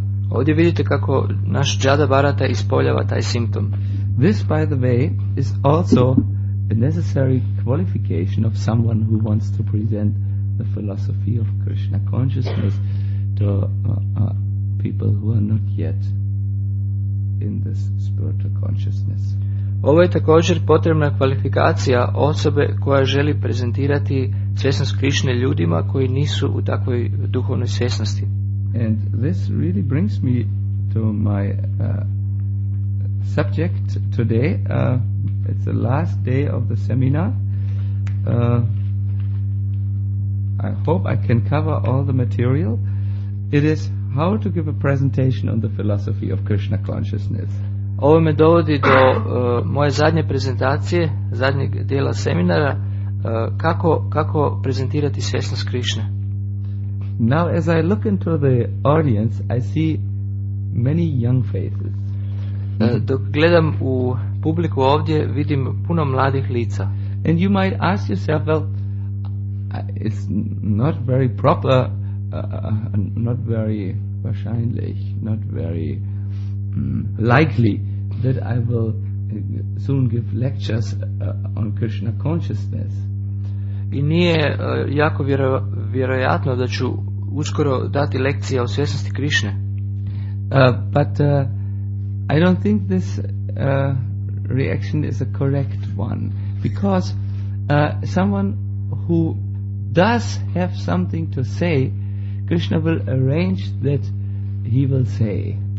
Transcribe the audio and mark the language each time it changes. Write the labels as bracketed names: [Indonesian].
[Croatian] Ovdje vidite kako naš Jada Bharata ispoljava taj simptom. [English] This, by the way, is also a necessary qualification of someone who wants to present the philosophy of Krishna consciousness to people who are not yet in this spiritual consciousness. [Croatian] Ovo je također potrebna kvalifikacija osobe koja želi prezentirati svjesnost Krišne ljudima koji nisu u takvoj duhovnoj svjesnosti. [English] And this really brings me to my subject today. It's the last day of the seminar. I hope I can cover all the material. It is how to give a presentation on the philosophy of Krishna consciousness. [Croatian] Ovo me dovodi do moje zadnje prezentacije, zadnjeg dijela seminara, kako prezentirati svjesnost Krišne. [English] Now as I look into the audience, I see many young faces. [Croatian] Dok gledam u publiku ovdje, vidim puno mladih lica. [English] And you might ask yourself, well, it's not very proper, not very [German] wahrscheinlich, [English] not very likely that I will soon give lectures on Krishna consciousness. [Croatian] I nije jako vjerojatno da ću uskoro dati lekcije o svjesnosti Krišne. [English] But I don't think this reaction is a correct one, because someone who does have something to say, Krishna will arrange that he will say.